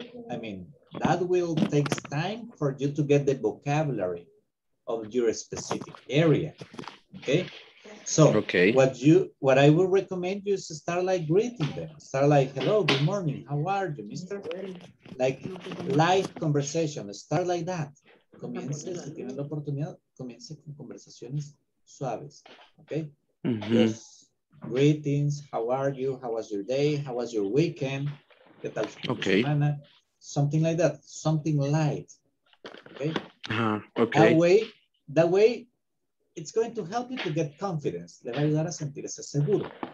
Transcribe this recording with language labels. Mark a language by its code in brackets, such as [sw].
[en] I mean, that will take time for you to get the vocabulary of your specific area. Okay. What I would recommend you is to start like greeting them. Start like, hello, good morning, how are you, mister? Like live conversation, start like that. [es] Comience, si tienen la oportunidad, comience con conversaciones suaves, okay? [en] Mm-hmm. Just greetings, how are you, how was your day, how was your weekend? [es] ¿Qué tal su semana? [en] Something like that, something light, okay? Okay. That way, it's going to help you to get confidence. [es] Le va a ayudar a sentirse seguro.